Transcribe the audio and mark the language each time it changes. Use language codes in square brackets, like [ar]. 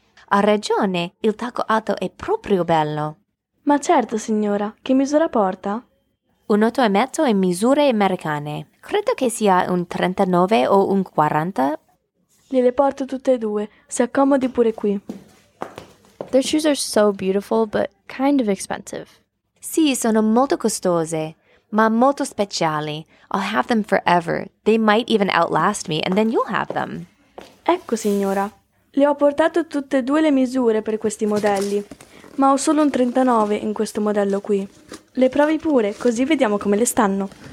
[it] Ha ragione, il tacco alto è proprio bello. Ma certo, signora, che misura porta? Un 8,5 in misure americane. Credo che sia un 39 o un 40. Gliele porto tutte e due, si accomodi pure qui. [en] Their shoes are so beautiful, but kind of expensive. [it] Sì, sono molto costose, ma molto speciali. [en] I'll have them forever. They might even outlast me, and then you'll have them. [it] Ecco, signora. Le ho portato tutte e due le misure per questi modelli, ma ho solo un 39 in questo modello qui. Le provi pure, così vediamo come le stanno.